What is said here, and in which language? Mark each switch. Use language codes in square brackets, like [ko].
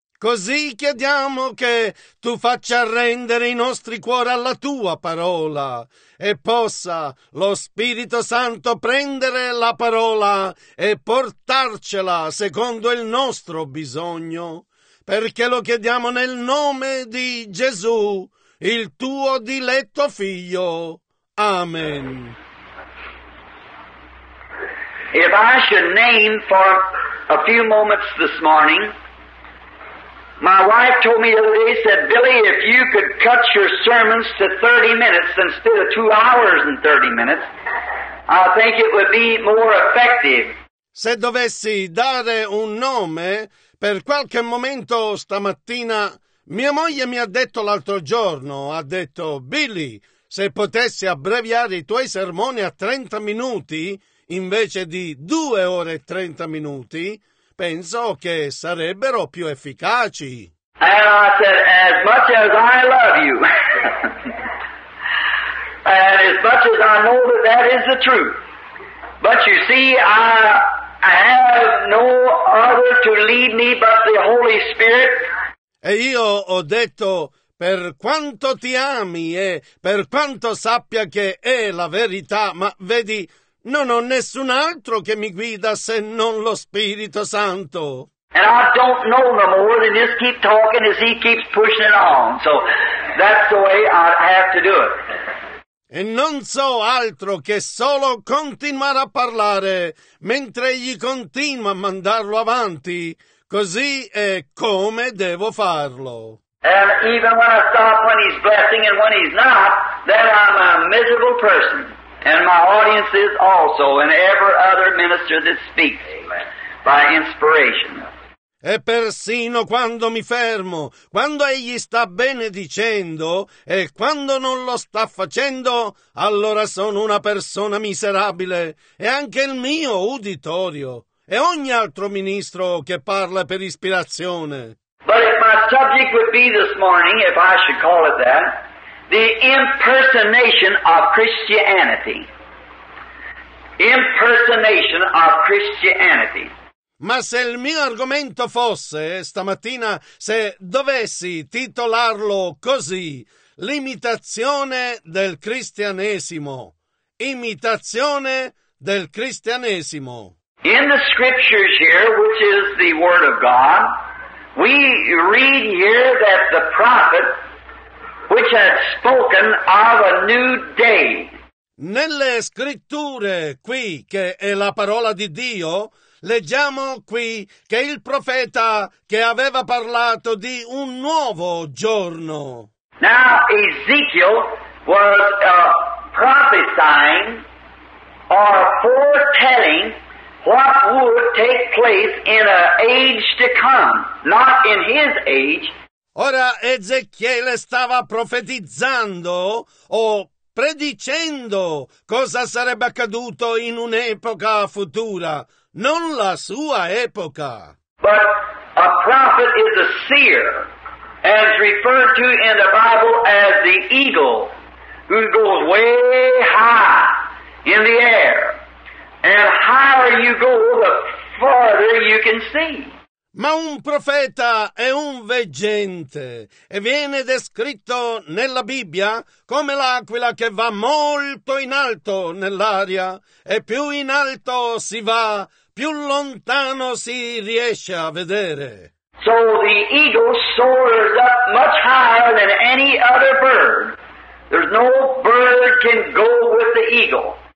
[it] Così chiediamo che tu faccia rendere i nostri cuori alla tua parola e possa lo Spirito Santo prendere la parola e portarcela secondo il nostro bisogno, perché lo chiediamo nel nome di Gesù, il tuo diletto figlio. Amen. [en] If I should name for a few moments this morning, my wife told me the other day, said, Billy, if you could cut your sermons to 30 minutes instead of 2 hours and 30 minutes, I think it would be more effective. [it] Se dovessi dare un nome, per qualche momento stamattina, mia moglie mi ha detto l'altro giorno, ha detto, Billy, se potessi abbreviare i tuoi sermoni a 30 minuti invece di 2 ore e 30 minuti, penso che sarebbero più efficaci. [en] And I said, as much as I love you, and as much as I know that that is the truth, but you see, I have no other to lead me but the Holy Spirit. [it] E io ho detto, per quanto ti ami e per quanto sappia che è la verità, ma vedi, non ho nessun altro che mi guida se non lo Spirito Santo. [en] And I don't know no more than just keep talking as he keeps pushing it on. So that's the way I have to do it. [it] E non so altro che solo continuare a parlare mentre egli continua a mandarlo avanti. Così è come devo farlo. [en] And even when I stop when he's blessing and when he's not, then I'm a miserable person. And my audience is also, and every other minister that speaks, by inspiration. [it] E persino quando mi fermo, quando egli sta benedicendo, e quando non lo sta facendo, allora sono una persona miserabile, e anche il mio uditorio, e ogni altro ministro che parla per ispirazione. [en] But if my subject would be this morning, if I should call it that, the impersonation of Christianity. Impersonation of Christianity. [it] Ma se il mio argomento fosse stamattina, se dovessi titolarlo così, l'imitazione del cristianesimo. Imitazione del cristianesimo. [en] In the scriptures here, which is the word of God, we read here that the prophet which had spoken of a new day. [it] Nelle scritture qui, che è la parola di Dio, leggiamo qui che il profeta che aveva parlato di un nuovo giorno. Now Ezekiel was prophesying or foretelling what would take place in an age to come, not in his age. Ora Ezechiele stava profetizzando o predicendo cosa sarebbe accaduto in un'epoca futura, non la sua epoca. [en] But a prophet is a seer, as referred to in the Bible as the eagle, who goes way high in the air. And higher you go, the farther you can see. [it] Ma un profeta è un veggente e viene descritto nella Bibbia come l'aquila che va molto in alto nell'aria e più in alto si va, più lontano si riesce a vedere. [en] So the eagle soars up much higher than any other bird. There's no bird can go with the eagle.